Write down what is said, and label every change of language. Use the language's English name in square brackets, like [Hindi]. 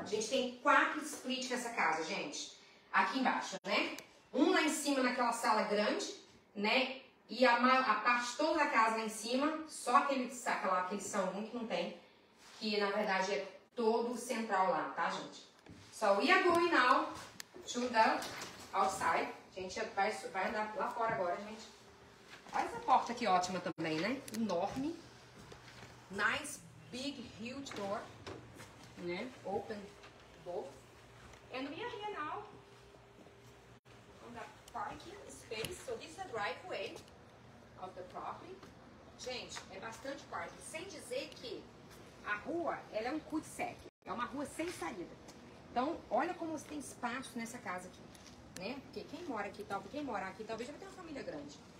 [Portuguese] A gente tem quatro splits nessa casa, gente. Aqui embaixo, né? Lá em cima naquela sala grande, né? E a parte toda da casa lá em cima, só aquele salão ruim que não tem. Que na verdade é todo central lá, tá, gente? [English] So we are going now to the outside. [Portuguese] A gente vai andar lá fora agora, gente. Olha essa porta aqui, ótima também, né? Enorme. [English] Nice, big, huge door. [Portuguese] Né? [English] Open both. And we are here now on the parking space. So this is the driveway of the property. [Portuguese] Gente, é bastante parking. Sem dizer que a rua, ela é um cul-de-sac, é uma rua sem saída. Então, olha como você tem espaço nessa casa aqui, né? Porque quem mora aqui, talvez, quem morar aqui, talvez já tenha uma família grande.